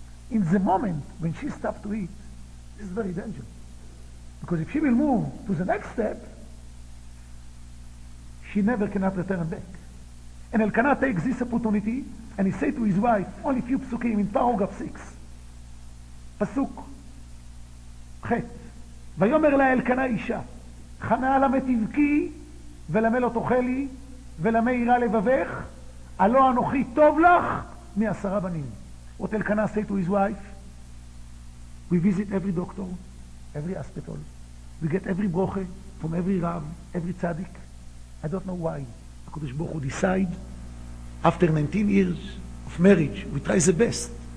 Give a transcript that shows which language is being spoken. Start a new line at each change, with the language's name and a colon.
English: In the moment when she stopped to eat, this is very dangerous. Because if she will move to the next step, she never cannot return back. And Elkanah takes this opportunity and he says to his wife, only a few psukim in paragraph 6. Pasuk. Chet.
Hebrew: ויאמר לה אלקנה אישה, חנה למה תבכי ולמה לא תאכלי ולמה יירא לבבך, הלא אנוכי טוב לך מעשרה בנים.
English: What Elkanah say to his wife, we visit every doctor, every hospital, we get every broche from every rav, every tzaddik. I don't know why. הקדוש ברוך הוא decide, after 19 years of marriage, we try the best.